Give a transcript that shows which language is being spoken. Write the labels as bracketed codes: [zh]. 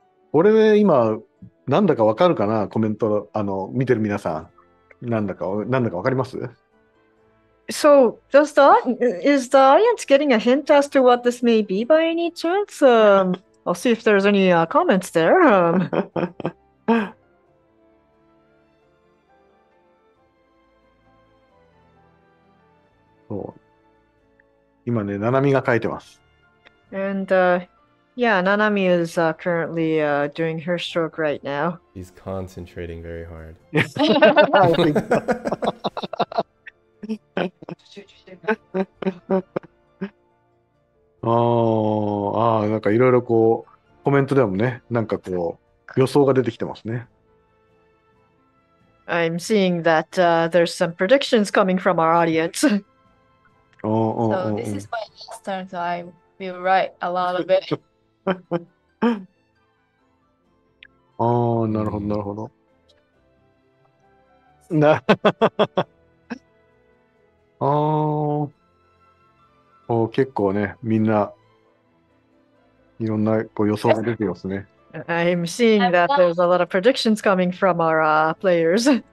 [ja] これで今なんだかわかるかな、コメント、あの見てる皆さん、なんだかわかります？ [en] So, does the, is the audience getting a hint as to what this may be by any chance? I'll see if there's any comments there. [ja] そう。今ね、ナナミが書いてます。 [en] And, yeah, Nanami is currently doing her stroke right now. She's concentrating very hard. [ja] ああ、なんかいろいろこうコメントでもね、なんかこう予想が出てきてますね。 [en] I'm seeing that there's some predictions coming from our audience. おーおーおー。 So this is my last turn, so I will write a lot of it. [ja] ああ、なるほど、なるほど。ああ、結構ね、みんないろんなこう予想が出てますね。 [en] I'm seeing that there's a lot of predictions coming from our players.